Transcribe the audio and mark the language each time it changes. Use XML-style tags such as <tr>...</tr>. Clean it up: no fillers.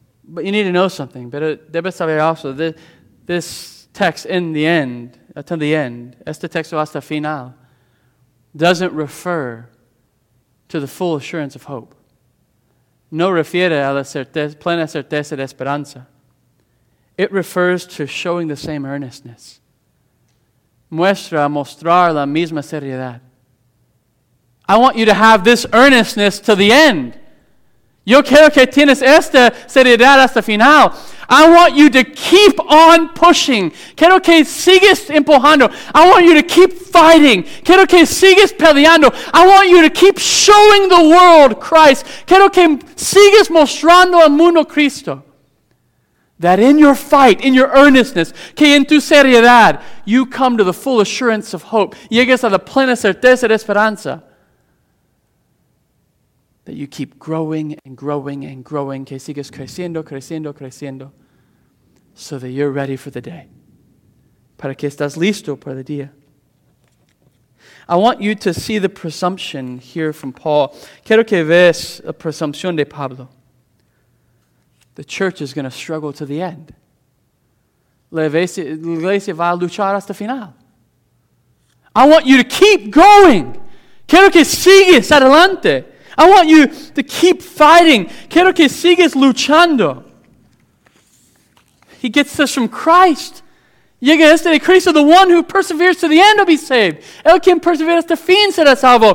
<en>But you need to know something.</en> <es>Pero debes saber</es> <en>also, this text, in the end, until the end,</en> <es>este texto hasta final,</es> <en>doesn't refer to the full assurance of hope.</en> <es>no refiere a la plena certeza de esperanza.</es> <en>It refers to showing the same earnestness.</en> <es>Muestra mostrar la misma seriedad.</es> <en>I want you to have this earnestness to the end.</en> <es>Yo quiero que tienes esta seriedad hasta final.</es> <en>I want you to keep on pushing.</en> <es>Quiero que sigas empujando.</es> <en>I want you to keep fighting.</en> <es>Quiero que sigas peleando.</es> <en>I want you to keep showing the world Christ.</en> <es>Quiero que sigas mostrando al mundo Cristo.</es> <en>That in your fight, in your earnestness,</en> <es>que en tu seriedad,</es> <en>you come to the full assurance of hope.</en> <es>Llegas a la plena certeza de esperanza.</es> <en>That you keep growing and growing and growing,</en> <es>que sigues creciendo, creciendo, creciendo,</es> <en>so that you're ready for the day.</en> <es>Para que estás listo para el día.</es> <en>I want you to see the presumption here from Paul.</en> <es>Quiero que veas la presumpción de Pablo.</es> <en>The church is going to struggle to the end.</en> <es>La iglesia va a luchar hasta final.</es> <en>I want you to keep going.</en> <es>Quiero que sigues adelante.</es> <en>I want you to keep fighting.</en> <es>Quiero que sigas luchando.</es> <en>He gets this from Christ.</en> <es>Llega este de Cristo,</es> <en>the one who perseveres to the end will be saved.</en> <es>El quien persevera hasta fin será salvo.</es>